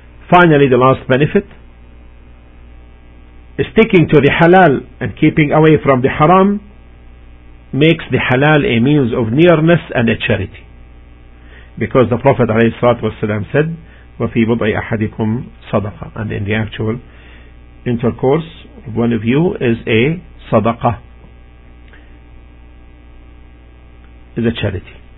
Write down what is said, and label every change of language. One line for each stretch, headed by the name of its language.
English: Finally, the last benefit, sticking to the halal and keeping away from the haram makes the halal a means of nearness and a charity. Because the Prophet
Arabic: عليه الصلاة والسلام
English: said,
Arabic: وَفِي بُضْعِ أَحَدِكُمْ صَدَقَةً.
English: And in the actual intercourse, one of you is a sadaqah, is a charity.